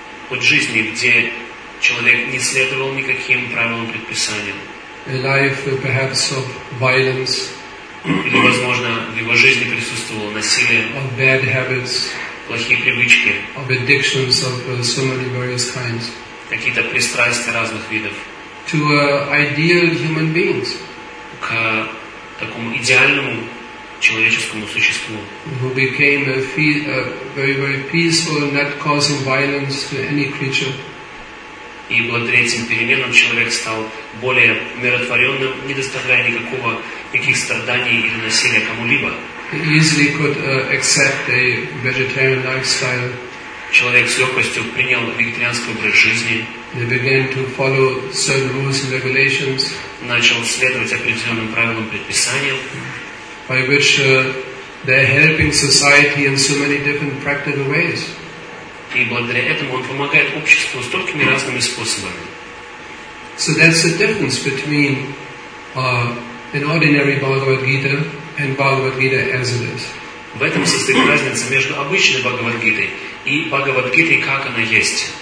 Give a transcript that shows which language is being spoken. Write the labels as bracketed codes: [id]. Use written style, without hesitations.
[ru] От жизни, где человек не следовал никаким правилам, предписаниям. [en] A life perhaps of violence. [ru] Или, возможно, в его жизни присутствовало насилие. [en] Of bad habits. [ru] Плохие привычки. [en] Of addictions of so many various kinds. [ru] Какие-то пристрастия разных видов. [en] To ideal human beings. [ru] К такому идеальному человеческому существу. [en] Who became very, very peaceful, not causing violence to any creature. [ru] И благодаря этим переменам человек стал более умиротворенным, не доставляя никаких страданий или насилия кому-либо. [en] Easily could accept a vegetarian lifestyle. [ru] Человек с легкостью принял вегетарианский образ жизни. [en] They began to follow certain rules and regulations. [ru] Начал следовать определенным правилам, предписаниям. [en] By which they're helping society in so many different practical ways. [ru] И благодаря этому он помогает обществу столькими разными способами. [en] So that's the difference between an ordinary Bhagavad Gita. And Bhagavad Gita as it is. [ru] В этом состоит разница между обычной Бхагавад-гитой и Бхагавад-гитой, как она есть.